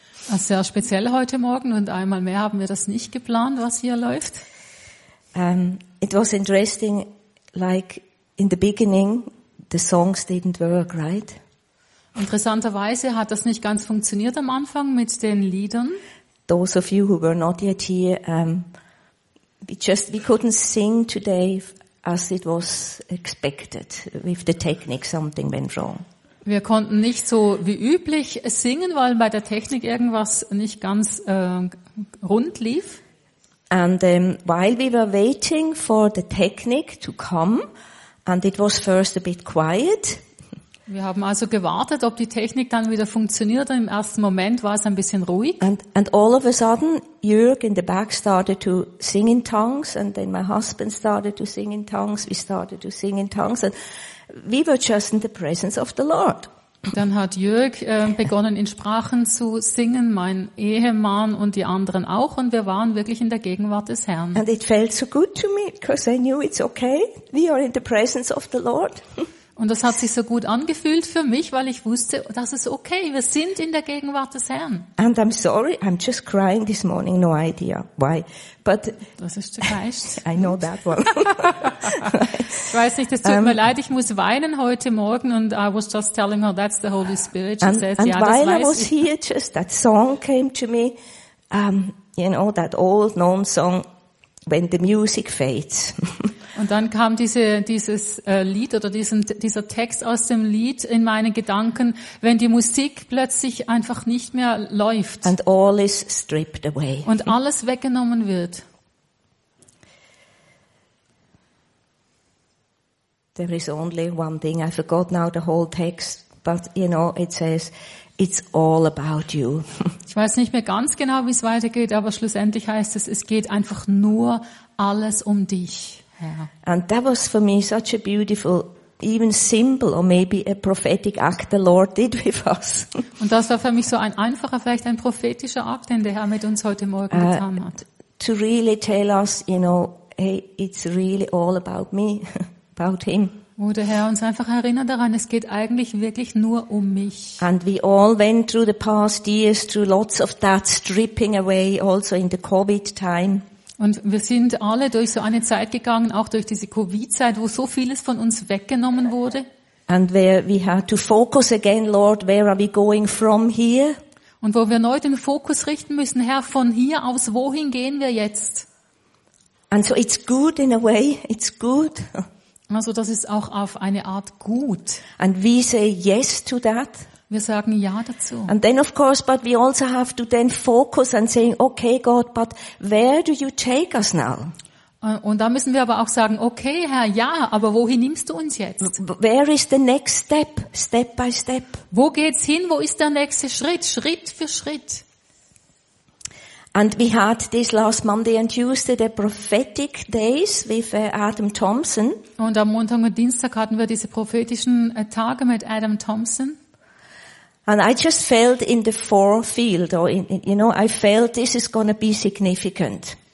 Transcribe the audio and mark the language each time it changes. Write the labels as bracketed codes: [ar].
[de] Also sehr speziell heute Morgen und einmal mehr haben wir das nicht geplant, was hier läuft. [en] It was interesting, like in the beginning, the songs didn't work, right? [de] Interessanterweise hat das nicht ganz funktioniert am Anfang mit den Liedern. [en] Those of you who were not yet here, we couldn't sing today as it was expected. With the technique, something went wrong. [de] Wir konnten nicht so wie üblich singen, weil bei der Technik irgendwas nicht ganz rund lief. [en] And while we were waiting for the technique to come, and it was first a bit quiet. [de] Wir haben also gewartet, ob die Technik dann wieder funktioniert. Im ersten Moment war es ein bisschen ruhig. [en] And all of a sudden, Jörg in the back started to sing in tongues, and then my husband started to sing in tongues. We started to sing in tongues, and we were just in the presence of the Lord. [de] Dann hat Jörg begonnen, in Sprachen zu singen, mein Ehemann und die anderen auch, und wir waren wirklich in der Gegenwart des Herrn. [en] And it felt so good to me, because I knew it's okay. We are in the presence of the Lord. [de] Und das hat sich so gut angefühlt für mich, weil ich wusste, das ist okay, wir sind in der Gegenwart des Herrn. [en] And I'm sorry, I'm just crying this morning, no idea why. But [de] das ist der Geist. [en] I know that one. [de] Ich weiß nicht, es tut mir leid, ich muss weinen heute Morgen, und [en] I was just telling her, that's the Holy Spirit. She says, and ja, while I was here, just that song came to me, you know, that old known song, when the music fades. [de] Und dann kam dieser Text aus dem Lied in meine Gedanken, wenn die Musik plötzlich einfach nicht mehr läuft. [en] And all is stripped away. [de] Und alles weggenommen wird. [en] There is only one thing. I forgot now the whole text, but you know, it says, it's all about you. [de] Ich weiß nicht mehr ganz genau, wie es weitergeht, aber schlussendlich heißt es, es geht einfach nur alles um dich. [en] Yeah. And that was for me such a beautiful, even simple, or maybe a prophetic act the Lord did with us. [de] Und das war für mich so ein einfacher, vielleicht ein prophetischer Akt, den der Herr mit uns heute Morgen getan hat. [en] To really tell us, you know, hey, it's really all about me, about him. [de] Wo der Herr uns einfach erinnert daran, es geht eigentlich wirklich nur um mich. [en] And we all went through the past years through lots of that stripping away, also in the COVID time. [de] Und wir sind alle durch so eine Zeit gegangen, auch durch diese Covid-Zeit, wo so vieles von uns weggenommen wurde. [en] And where we had to focus again, Lord, where are we going from here? [de] Und wo wir neu den Fokus richten müssen, Herr, von hier aus, wohin gehen wir jetzt? [en] And so it's good in a way, it's good. [de] Also das ist auch auf eine Art gut. [en] And we say yes to that. [de] Wir sagen ja dazu. [en] And then of course, but we also have to then focus and saying, okay, God, but where do you take us now? [de] Und da müssen wir aber auch sagen, okay, Herr, ja, aber wohin nimmst du uns jetzt? [en] Where is the next step, step by step? [de] Wo geht's hin? Wo ist der nächste Schritt? Schritt für Schritt. [en] And we had this last Monday and Tuesday the prophetic days with Adam Thompson. [de] Und am Montag und Dienstag hatten wir diese prophetischen Tage mit Adam Thompson. [en] And I just felt in the forefield, or in, you know, I felt this is going to be significant.